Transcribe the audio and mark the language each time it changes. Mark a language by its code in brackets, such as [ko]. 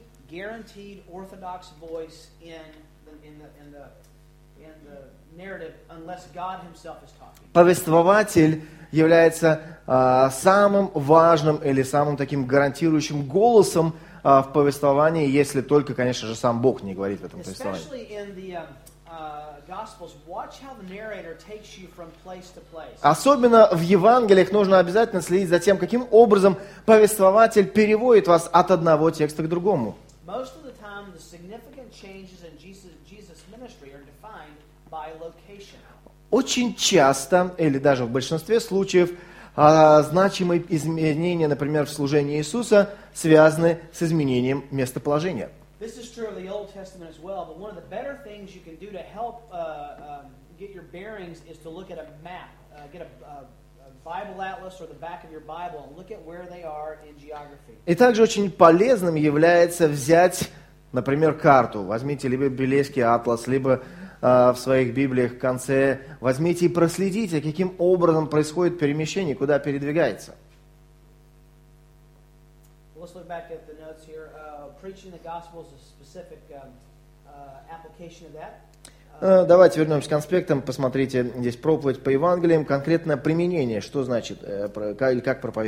[en] Guaranteed orthodox voice in the narrative, unless God Himself is talking. [ru] Повествователь является самым важным или самым таким гарантирующим голосом в повествовании, если только, конечно же, сам Бог не говорит в этом повествовании. [en] Especially in the Gospels, watch how the narrator takes you from place to place. [ru] Особенно в Евангелиях нужно обязательно следить за тем, каким образом повествователь переводит вас от одного текста к другому. [en] Most of the time, the significant changes in Jesus' ministry are defined by location. [ru] Очень часто, или даже в большинстве случаев, значимые изменения, например, в служении Иисуса, связаны с изменением местоположения. [en] This is true of the Old Testament as well, but one of the better things you can do to help get your bearings is to look at a map, get a Bible atlas or the back of your Bible and look at where they are in geography. [ru] И также очень полезным является взять, например, карту. Возьмите либо библейский атлас, либо в своих библиях в конце возьмите и проследите, каким образом происходит перемещение, куда передвигается. [en] Let's look back at the notes here. Preaching the gospel is a specific application of that. [ru] Давайте вернемся к конспектам, посмотрите, здесь проповедь по Евангелиям, конкретное применение, что значит, или как